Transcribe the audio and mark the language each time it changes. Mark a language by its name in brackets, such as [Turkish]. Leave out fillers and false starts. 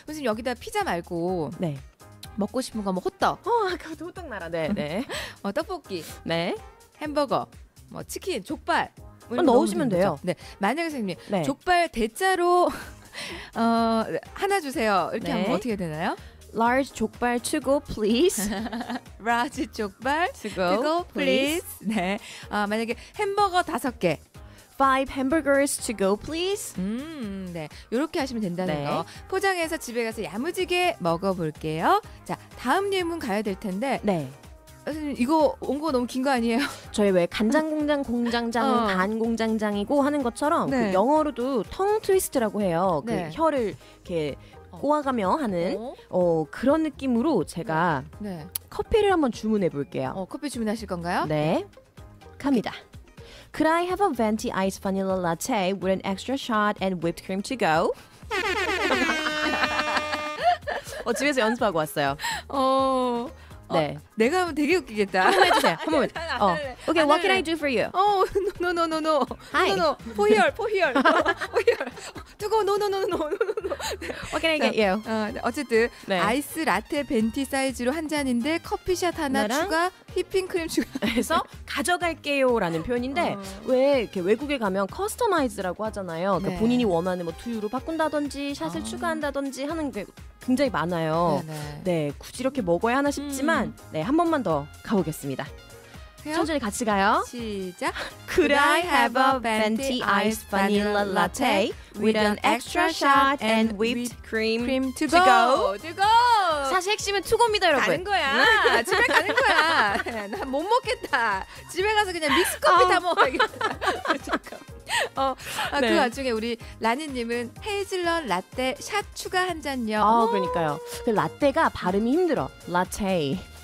[Korean] 선생님, 여기다 피자 말고 네. 먹고 싶은 거 뭐 호떡. 그것도 호떡 나라. 네, 네. 떡볶이. 네. 햄버거. 뭐 치킨, 족발. 뭐 넣으시면 돼요. 네. 만약에 선생님, 네. 족발 대짜로 하나 주세요. 이렇게 네. 하면 어떻게 되나요? [English] Large 족발 to go, please. Large 족발 to go, please. [Korean] 네. 만약에 햄버거 다섯 개. [English] Five hamburgers to go, please. [Korean] 네. 이렇게 하시면 된다는 네. 거. 포장해서 집에 가서 야무지게 먹어볼게요. 자, 다음 예문 가야 될 텐데. 네. 이거 온거 너무 긴거 아니에요? 저희 왜 간장공장 공장장 반공장장이고 하는 것처럼 네. 그 영어로도 텅 트위스트라고 해요. 네. 그 혀를 이렇게 꼬아가며 하는 그런 느낌으로 제가 네. 커피를 한번 주문해 볼게요. 커피 주문하실 건가요? 네, 갑니다. [English] Could I have a venti iced vanilla latte with an extra shot and whipped cream to go? [Korean] 집에서 연습하고 왔어요. 네. 내가 하면 되게 웃기겠다. 한 번만 해주세요. 한 번만. [English] 오케이, what can I do for you? No. Hi. For here. For here. To go, no. What can I get you? [Korean] 어쨌든 네. 아이스 라테 벤티 사이즈로 한 잔인데 커피샷 하나 추가, 휘핑크림 추가해서 가져갈게요 라는 표현인데 왜 이렇게 외국에 가면 커스터마이즈라고 하잖아요. 네. 그러니까 본인이 원하는 뭐 두유로 바꾼다든지 샷을 추가한다든지 하는 게 굉장히 많아요. 네, 굳이 이렇게 먹어야 하나 싶지만 네, 한 번만 더 가보겠습니다. 해요? 천천히 같이 가요. 시작. [English] Could I have a venti iced vanilla latte with an extra shot and whipped cream to go? To go. [Korean] 사실 핵심은 to go입니다, 여러분. 가는 거야. 집에 가는 거야. 난 못 먹겠다. 집에 가서 그냥 믹스 커피 다 먹어야겠다. 잠깐. 그 네. 와중에 우리 라니님은 헤이즐넛 라떼 샷 추가 한 잔요. 그러니까요. 그 라떼가 발음이 힘들어. 라테.